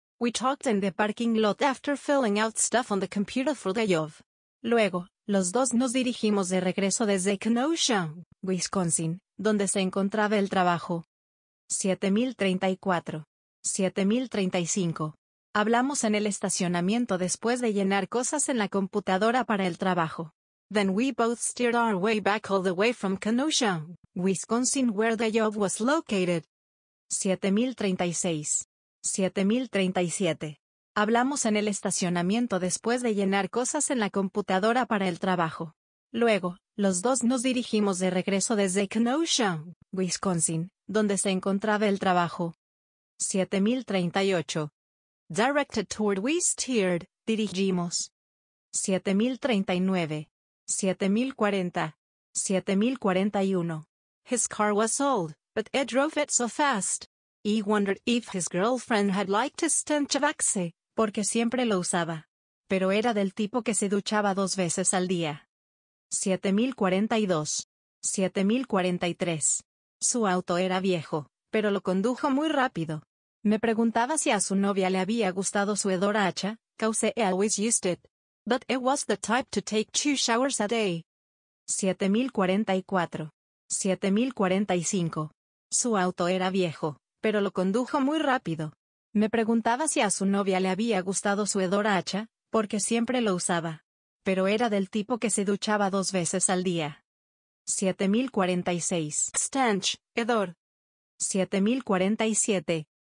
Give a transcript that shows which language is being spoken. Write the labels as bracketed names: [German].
[English] We talked in the parking lot after filling out stuff on the computer for the job. [Spanish] Luego, los dos nos dirigimos de regreso desde Kenosha, Wisconsin, donde se encontraba el trabajo. 7034. 7035. Hablamos en el estacionamiento después de llenar cosas en la computadora para el trabajo. [English] Then we both steered our way back all the way from Kenosha, Wisconsin, where the job was located. 7036. 7037. [Spanish] Hablamos en el estacionamiento después de llenar cosas en la computadora para el trabajo. Luego, los dos nos dirigimos de regreso desde Kenosha, Wisconsin, donde se encontraba el trabajo. [English] 7038. Directed toward we steered, dirigimos. 7039. 7040. 7041. His car was old, but he drove it so fast. He wondered if his girlfriend had liked his stench of Axe, [Spanish] porque siempre lo usaba. Pero era del tipo que se duchaba dos veces al día. 7042. 7043. Su auto era viejo, pero lo condujo muy rápido. Me preguntaba si a su novia le había gustado su hedor a hacha, [English] cause he always used it. But it was the type to take two showers a day. 7044. 7045. [Spanish] Su auto era viejo, pero lo condujo muy rápido. Me preguntaba si a su novia le había gustado su hedor a hacha, porque siempre lo usaba. Pero era del tipo que se duchaba dos veces al día. [English] 7046. Stench, hedor. 7047.